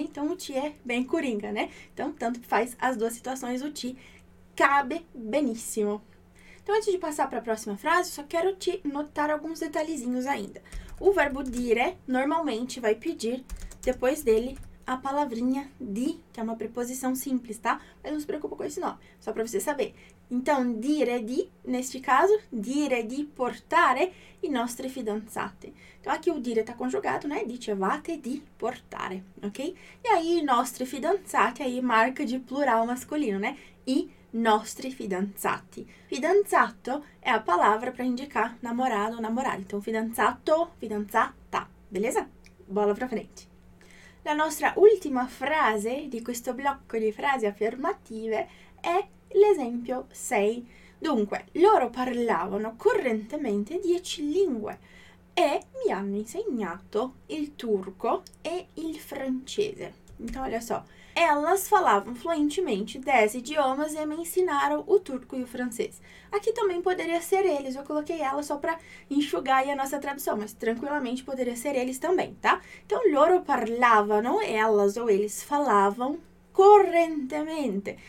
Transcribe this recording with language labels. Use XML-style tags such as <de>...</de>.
<pt>Então, o ti é bem coringa, né? Então, tanto faz as duas situações, o ti cabe beníssimo. Então, antes de passar para a próxima frase, só quero te notar alguns detalhezinhos ainda. O verbo dire normalmente vai pedir, depois dele, a palavrinha di, que é uma preposição simples, tá? Mas não se preocupa com esse nome, só para você saber.</pt> <it>Então, dire di,</it> <pt>neste caso,</pt> <it>dire di portare i nostri fidanzati.</it> <pt>Então, aqui o dire está conjugado, né?</pt> <it>Dicevate di portare,</it> <pt>ok? E aí,</pt> <it>i nostri fidanzati,</it> <pt>aí marca de plural masculino, né?</pt> <it>I nostri fidanzati. Fidanzato è la parola per indicare</it> <pt>namorado</pt> <it>o namorata.</it> <pt>Então, fidanzato, fidanzata. Beleza? Bola pra frente.</pt> <it>La nostra ultima frase di questo blocco di frasi affermative è l'esempio 6. Dunque, loro parlavano correntemente 10 lingue e mi hanno insegnato il turco e il francese.</it> <pt>Então, olha só. Elas falavam fluentemente 10 idiomas e me ensinaram o turco e o francês. Aqui também poderia ser eles, eu coloquei elas só para enxugar aí a nossa tradução, mas tranquilamente poderia ser eles também, tá? Então,</pt> <it>loro parlavano,</it> <pt>elas ou eles falavam</pt> <it>correntemente.</it>